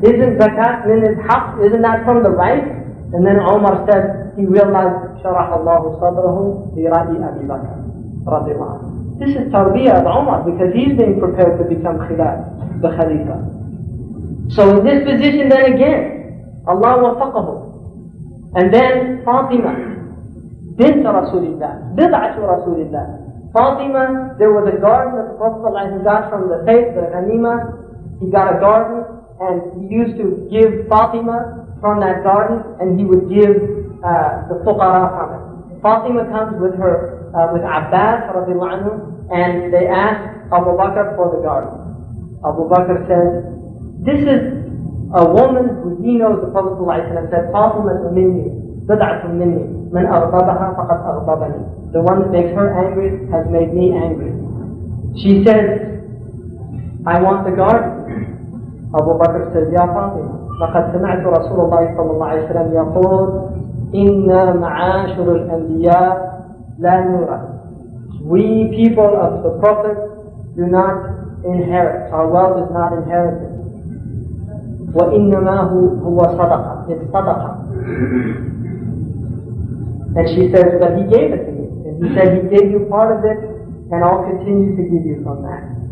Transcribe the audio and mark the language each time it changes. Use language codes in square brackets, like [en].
[en] Isn't zakat min al-haq? Isn't that from the right? And then Umar said, he realized, [ar] شَرَحَ اللَّهُ صَدْرَهُ لِرَأِي أَبِي بَكَرٍ رَضِي اللَّهُ عَنْهُ. [en] This is tarbiyah of Umar, because he's being prepared to become the Khalifa. So in this position then again, Allah وَفَقَهُ. And then [ar] Fatima, بنت رسول الله, بضعة رسول الله. [en] Fatima, there was a garden that the Prophet got from the faith, the Ghanima. He got a garden and he used to give Fatima from that garden, and he would give the fuqara from it. Fatima comes with her, with Abbas radiallahu anhu, and they ask Abu Bakr for the garden. Abu Bakr says, this is a woman who he knows the Prophet said, Fatima is a minni, بضعة minni. [ar] من أغضبها فقد أغضبني. [en] The one that makes her angry has made me angry. She says, I want the garden. Abu Bakr says, ya Fatima, [ar] لقد سمعت رسول الله صلى الله عليه وسلم يقول, إن معاشر الأنبياء لا نورث. [en] We people of the Prophet do not inherit. Our wealth is not inherited. [ar] وإنما هو صدقة. [en] It's صدقة. And she says, but he gave it to me. And he said, he gave you part of it, and I'll continue to give you from that.